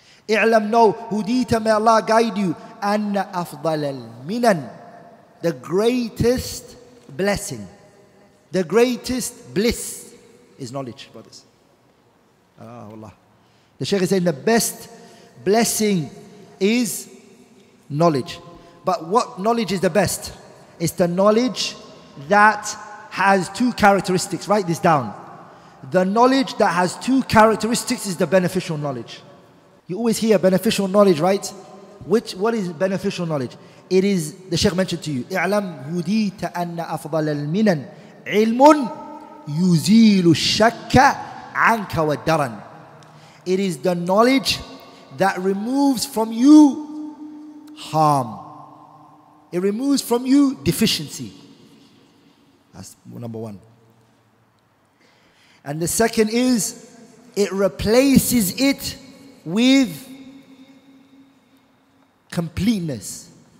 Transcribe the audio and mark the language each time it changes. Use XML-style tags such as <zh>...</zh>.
<ar>إِعْلَمْ نَوْ هُدِيتَ مَا اللَّهَ</ar> <en>guide you</en> <ar>أَنَّ أَفْضَلَ الْمِنَنْ.</ar> <en>The greatest blessing, the greatest bliss is knowledge, brothers. Oh Allah. The Shaykh is saying the best blessing is knowledge. But what knowledge is the best? It's the knowledge that has two characteristics. Write this down. The knowledge that has two characteristics is the beneficial knowledge. You always hear beneficial knowledge, right? What is beneficial knowledge? It is, the Shaykh mentioned to you,</en> <ar>إِعْلَمْ هُدِيتَ أَنَّ أَفْضَلَ الْمِنَنْ عِلْمٌ يُزِيلُ الشَّكَّ عَنْكَ وَالدَّرَنْ.</ar> <en>It is the knowledge that removes from you harm. It removes from you deficiency. That's number one. And the second is, it replaces it with completeness.</en>